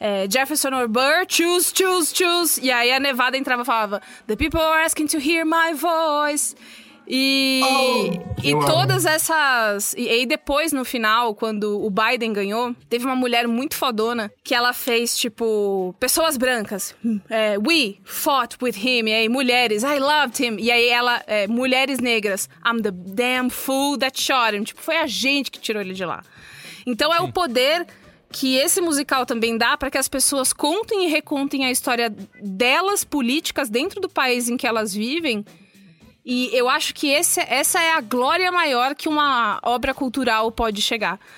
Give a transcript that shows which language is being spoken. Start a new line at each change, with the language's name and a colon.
English: Jefferson or Burr, choose, choose, choose.
Portuguese: E aí a Nevada entrava e falava:
English: The people are asking to hear my voice.
Portuguese: E todas essas... E aí depois, no final, quando o Biden ganhou, teve uma mulher muito fodona que ela fez, tipo, pessoas brancas.
English: É, we fought with him.
Portuguese: E aí, mulheres,
English: I loved him.
Portuguese: E aí ela, é, mulheres negras,
English: I'm the damn fool that shot him.
Portuguese: Tipo, foi a gente que tirou ele de lá. Então é o poder que esse musical também dá para que as pessoas contem e recontem a história delas, políticas, dentro do país em que elas vivem. E eu acho que essa é a glória maior que uma obra cultural pode chegar.